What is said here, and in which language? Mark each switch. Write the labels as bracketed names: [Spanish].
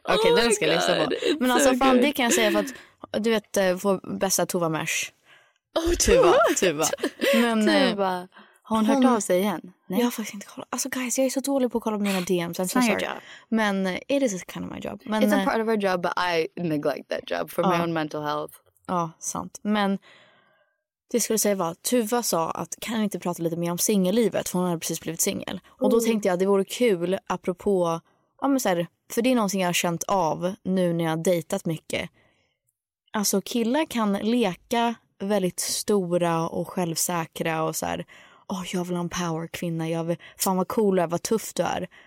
[Swedish] Okej, [English] okay, [Swedish] oh den ska jag läsa på. Men alltså, från det kan jag säga för att du vet, får bästa Tova Mersh. Oh, Tova. Men Tova. Har hon hört av sig igen? Nej. Jag har faktiskt inte kollat. Alltså guys, jag är så dålig på att kolla på mina DMs. [English] I'm so sorry. [Swedish] Men [English] it is kind of my job. Men, it's a part of our job, but I neglect that job for my own mental health. [Swedish] Ja, sant. Men det skulle säga var att Tuva sa att kan vi inte prata lite mer om singellivet, för hon har precis blivit singel. Och då tänkte jag att det vore kul apropå, ja men så här, för det är någonting jag har känt av nu när jag har dejtat mycket. Alltså killar kan leka väldigt stora och självsäkra och så här, åh, jag vill ha en power kvinna, jag vill, fan vad cool du är, vad tuff du är.